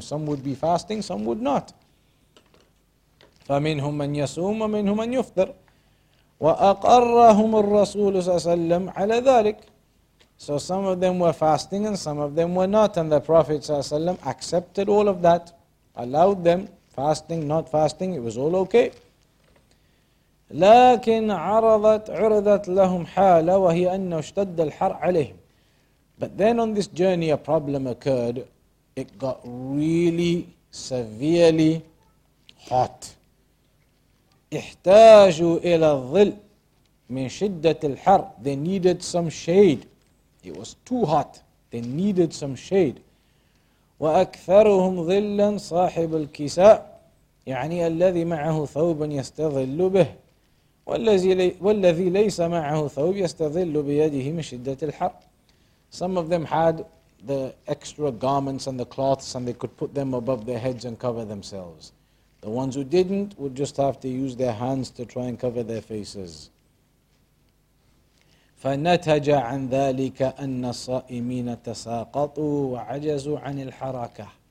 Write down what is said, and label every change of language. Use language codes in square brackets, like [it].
[en] Some would be fasting, some would not. [ar] فَمِنْهُمْ مَنْ يَصُومُ وَمِنْهُمْ مَنْ يُفْطِرُ. وَأَقَرَّهُمُ الرَّسُولُ صلى الله عليه وسلم عَلَى ذَلِكَ. [en] So some of them were fasting and some of them were not, and the Prophet صلى الله عليه وسلم accepted all of that, allowed them, fasting, not fasting, it was all okay. [ar] لكن عرضت لهم حالة وهي أنه اشتد الحر عليهم. [en] But then on this journey a problem occurred. It got really severely hot. [ar] احتاجوا إلى الظل من شدة الحر. [en] They needed some shade. It was too hot. They needed some shade. [ar] وأكثرهم ظلا صاحب الكساء يعني الذي معه ثوب يستظل به والذي ليس معه ثوب يستظل بيده من شدة الحر. [en] Some of them had the extra garments and the cloths, and they could put them above their heads and cover themselves. The ones who didn't would just have to use their hands to try and cover their faces. [ar] فَنَتَجَ عَنْ ذَٰلِكَ أَنَّ الصَّائِمِينَ تَسَاقَطُوا وَعَجَزُوا عَنِ الْحَرَكَةِ.